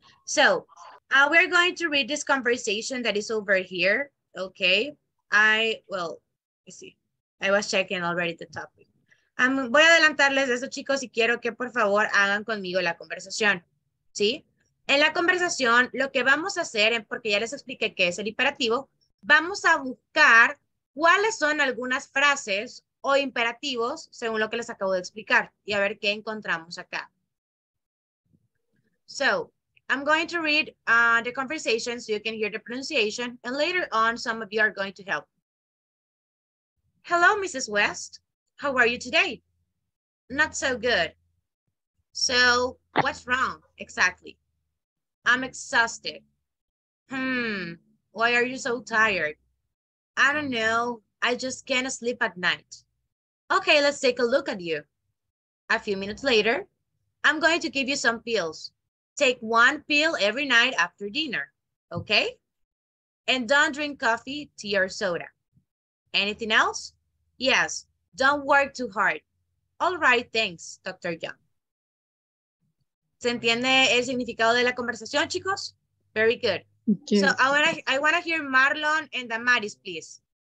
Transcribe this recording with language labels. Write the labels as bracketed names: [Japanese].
[English] So, we're going to read this conversation that is over here, okay? Let's see. I was checking already the topic. [Spanish] Voy a adelantarles eso, chicos, y quiero que por favor hagan conmigo la conversación, ¿sí? En la conversación, lo que vamos a hacer, porque ya les expliqué qué es el imperativo, vamos a buscar cuáles son algunas frases o imperativos según lo que les acabo de explicar y a ver qué encontramos acá. [English] So, I'm going to read the conversation so you can hear the pronunciation, and later on, some of you are going to help. Hello, Mrs. West. How are you today? Not so good. So, what's wrong exactly? I'm exhausted. Why are you so tired? I don't know. I just can't sleep at night. Okay, let's take a look at you. A few minutes later, I'm going to give you some pills. Take one pill every night after dinner, okay? And don't drink coffee, tea, or soda. Anything else? Yes, don't work too hard. All right, thanks, Dr. Young. [Spanish] ¿Se entiende el significado de la conversación, chicos? [English] Very good. Yes. So I want to hear Marlon and Damaris, please.